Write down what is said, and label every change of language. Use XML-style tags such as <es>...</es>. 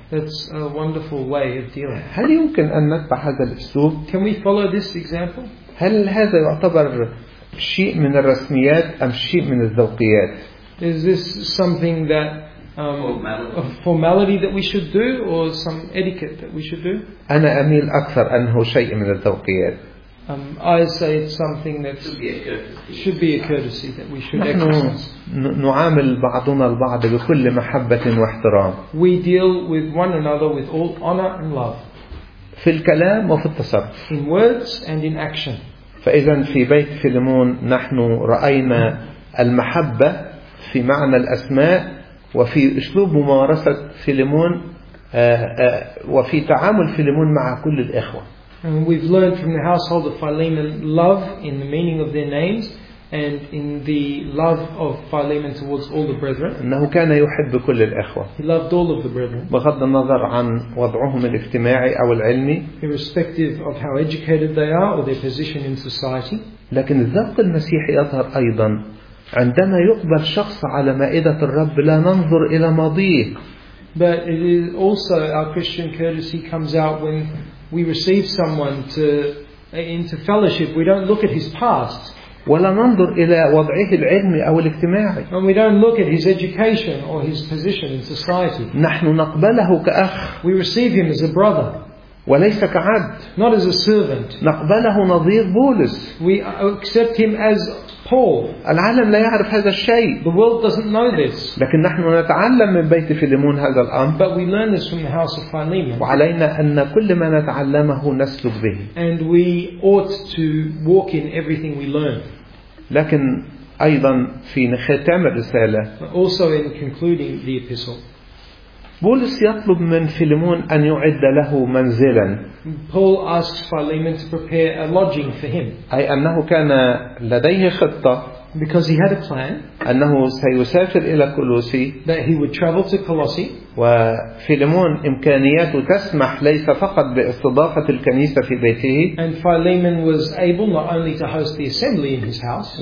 <en>That's a wonderful way of dealing.</en> <ar>هل يمكن أن نتبع هذا الأسلوب؟</ar> <en>Can we follow this example?</en> <ar>هل هذا يعتبر شيء من الرسميات أم شيء من الذوقيات؟</ar> <en>Is this something that a formality that we should do or some etiquette that we should do?</en> <ar>أنا أميل أكثر أنه شيء من الذوقيات.</ar> <en>I say it's something that should be a courtesy that we should exercise.</en> <ar>نعامل بعضنا البعض بكل محبة واحترام.</ar> <en>We deal with one another with all honor and love.</en> <ar>في الكلام وفي التصرف.</ar> <en>In words and in action.</en> <ar>فإذا في بيت فيلمون نحن رأينا المحبة في معنى الأسماء وفي أسلوب ممارسة فيلمون وفي تعامل فيلمون مع كل الإخوة.</ar> <en>And we've learned from the household of Philemon love in the meaning of their names and in the love of Philemon towards all the brethren.</en> <ar>أنه كان يحب كل الأخوة.</ar> <en>He loved all of the brethren.</en> <ar>بغض النظر عن وضعهم الاجتماعي أو العلمي.</ar> <en>Irrespective of how educated they are or their position in society.</en> <ar>لكن الذوق المسيحي يظهر أيضا عندما يقبل شخص على مائدة الرب لا ننظر إلى ماضيه.</ar> <en>But it is also our Christian courtesy comes out when we receive someone into fellowship. We don't look at his past.</en> <ar>ولا ننظر إلى وضعه العلمي أو الاجتماعي.</ar> <en>And we don't look at his education or his position in society.</en> <ar>نحن نقبله كأخ.</ar> <en>We receive him as a brother.</en> <ar>وليس كعبد.</ar> <en>Not as a servant.</en> <ar>نقبله نظير بولس.</ar> <en>We accept him as Paul.</en> <ar>العالم لا يعرف هذا الشيء.</ar> <en>The world doesn't know this.</en> <ar>لكن نحن نتعلم من بيت فيليمون هذا الأمر.</ar> <en>But we learn this from the house of Philemon.</en> <ar>وعلينا أن كل ما نتعلمه نسلك به.</ar> <en>And we ought to walk in everything we learn.</en> <ar>لكن أيضا في ختام الرسالة.</ar> <en>But also in concluding the epistle.</en> <ar>بولس يطلب من فيليمون أن يعد له منزلا.</ar> <en>Paul asks Philemon to prepare a lodging for him.</en> <ar>أي أنه كان لديه خطة.</ar> <en>Because he had a plan.</en> <ar>أنه سيسافر إلى كولوسي.</ar> <en>That he would travel to Colossae.</en> <ar>وفيليمون إمكانياته تسمح ليس فقط باستضافة الكنيسة في بيته.</ar> <en>And Philemon was able not only to host the assembly in his house.</en>